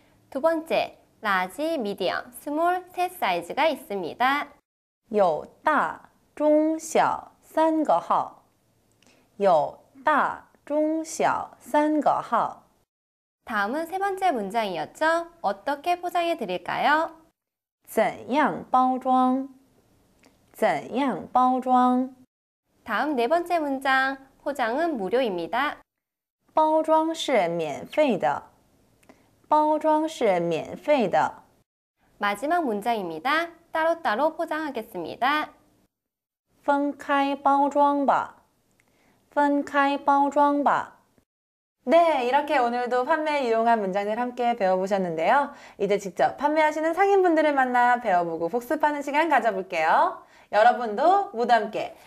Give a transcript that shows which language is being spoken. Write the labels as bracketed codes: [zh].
[ko] 두번째라지미디엄스몰세사이즈가있습니다 [zh] 有大中小三个号有大中小三个号 [ko] 다음은세번째문장이었죠어떻게포장해드릴까요 [zh] 怎样包装怎样包装 [ko] 다음네번째문장포장은무료입니다 [zh] 包装是免费的包装是免费的 [ko] 마지막문장입니다따로따로포장하겠습니다 分开包装吧分开包装吧 네이렇게오늘도판매에이용한문장들함께배워보셨는데요이제직접판매하시는상인분들을만나배워보고복습하는시간가져볼게요여러분도모두함께